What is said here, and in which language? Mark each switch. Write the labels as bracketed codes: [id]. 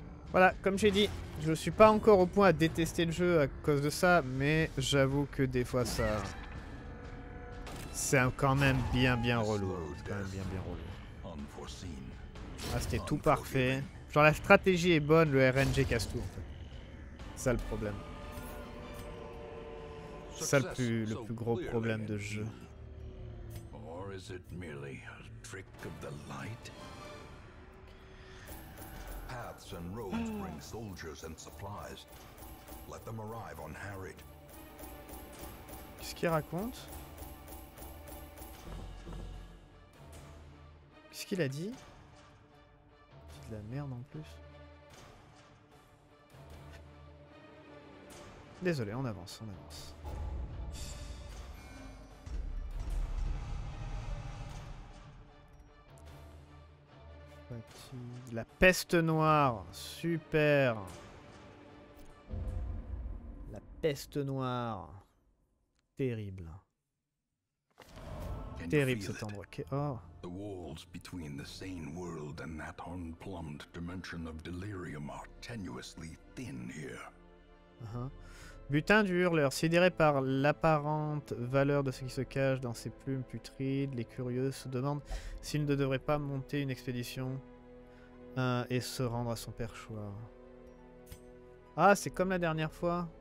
[fr] Voilà, comme j'ai dit, je suis pas encore au point à détester le jeu à cause de ça, mais j'avoue que des fois ça, c'est quand même bien bien relou. C'est quand même bien bien relou. Ah, c'était tout parfait. Genre la stratégie est bonne, le RNG casse tout. En fait. C'est ça le problème. C'est ça le plus gros problème de jeu. [en] Is it merely a trick of the light? Paths and roads bring soldiers and supplies. Let them arrive on Harrod. [fr] Qu'est-ce qu'il raconte? Qu'est-ce qu'il a dit? C'est de la merde en plus. Désolé, on avance, on avance. La peste noire, super. La peste noire, terrible. Terrible cet endroit. Oh. [en] The walls between the sane world and that unplumbed dimension of delirium are tenuously thin here. [fr] Butin du hurleur, sidéré par l'apparente valeur de ce qui se cache dans ses plumes putrides, les curieux se demandent s'ils ne devraient pas monter une expédition. Et se rendre à son perchoir. Ah, c'est comme la dernière fois.